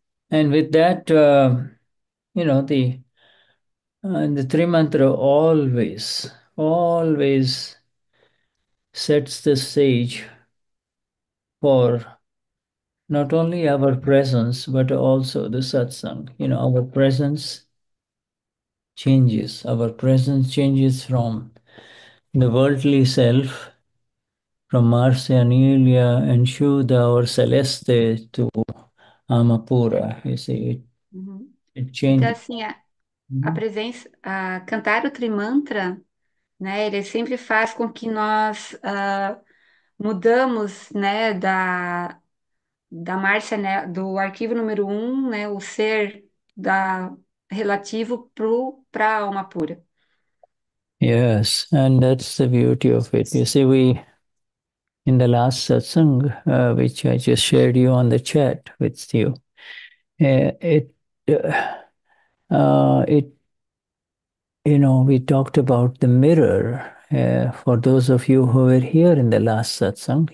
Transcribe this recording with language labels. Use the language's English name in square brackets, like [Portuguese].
[English] And with that, the three mantra always sets the stage for not only our presence, but also the satsang. Our presence changes. Our presence changes from the worldly self, from Marcia Nelia and Shuddha or Celeste to Amapura. You see, it [Portuguese] Então, [English] changes. [Portuguese] assim, a presença, a cantar o Trimantra, né, ele sempre faz com que nós mudamos, né, da Márcia, né, do arquivo número um, né, o ser da relativo para a alma pura. [English] Yes, and that's the beauty of it. You see, we in the last satsang, which I just shared you on the chat with you, we talked about the mirror, for those of you who were here in the last satsang.